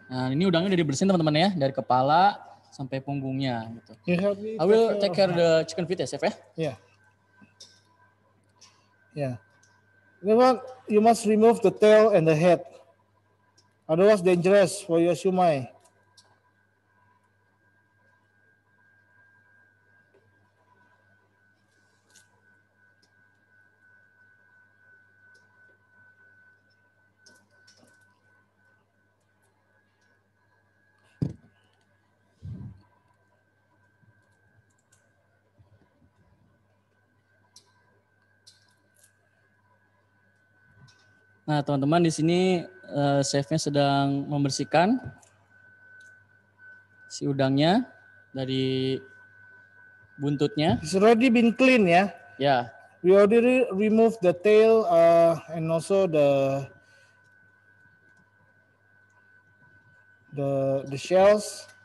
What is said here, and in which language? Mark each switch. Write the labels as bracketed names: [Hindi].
[Indonesian] Nah, ini udangnya udah dibersihin teman-teman ya, dari kepala sampai punggungnya gitu. [English] I will take care of the chicken feet ya, chef ya. Yeah. Yeah, then you must remove the tail and the head. Otherwise, dangerous for your siomai. [Indonesian] Nah, teman-teman di sini chef-nya sedang membersihkan si udangnya dari buntutnya. [English] It's already been clean ya. [Indonesian] Ya. [English] Yeah. We already remove the tail and also the shells.